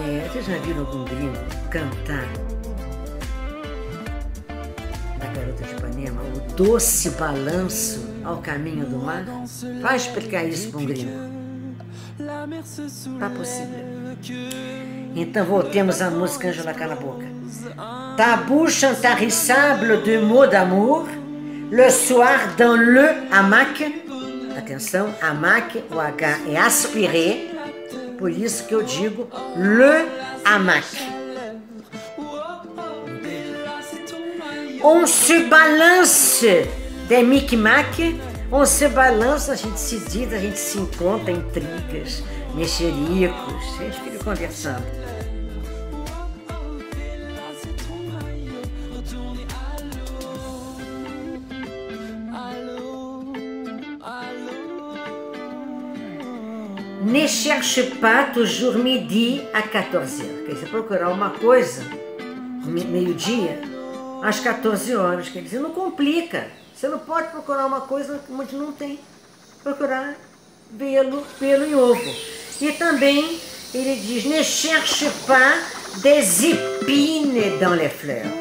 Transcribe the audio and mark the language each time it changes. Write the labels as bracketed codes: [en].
[pt] Vocês já viram algum gringo cantar da Garota de Ipanema o doce balanço ao caminho do mar? Vai explicar isso para um gringo. Tá possível. Então voltemos à música Ângela Cala Boca. [fr] Ta bouche intarissable de mots d'amour, le soir dans le hamac. [pt] Atenção, hamac, o H é aspiré, por isso que eu digo le hamac. [fr] On se balance des micmacs. On se balança, [pt] a gente se diz, a gente se encontra, intrigas, mexericos, a gente fica conversando. [fr] Ne cherche pas toujours midi à 14h. [pt] Quer dizer, procurar uma coisa, meio-dia, às 14 horas. Quer dizer, não complica. Você não pode procurar uma coisa onde não tem. Procurar pelo ovo. E também ele diz, [fr] ne cherche pas des épines dans les fleurs.